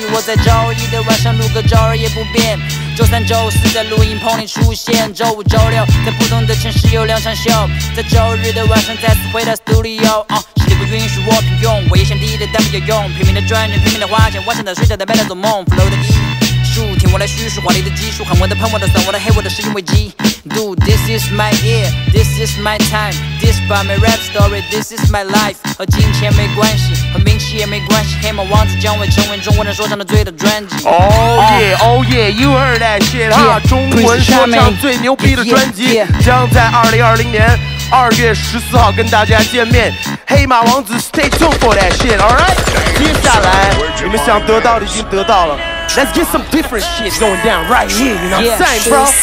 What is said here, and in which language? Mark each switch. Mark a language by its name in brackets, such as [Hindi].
[Chinese] 我在周一的晚上录歌，周二也不变。周三、周四在录音棚里出现，周五、周六在不同的城市有两场秀。在周日的晚上再次回到 studio， 世界不允许我平庸，我也想低调但没有用。拼命的赚钱，拼命的花钱，晚上的睡觉的白天做梦 ，flow 的艺术，听我来叙述华丽的技术，喊我的喷我的酸我的黑我的是因为机。 [English] Dude, this is my year, this is my time. This by my rap story, this is my life. [Chinese] 和金钱没关系，和名气也没关系。黑马王子将会成为中国人说唱的最大专辑。 [English] Oh yeah, oh yeah, you heard that shit, huh? [Chinese] 中文说唱最牛逼的专辑将在2020年2月14号跟大家见面。 [English] 黑马王子 stay tuned for that shit, alright? [Chinese] 接下来你们想得到的已经得到了。 [English] Let's get some different shit going down right here, you know what I'm saying, bro?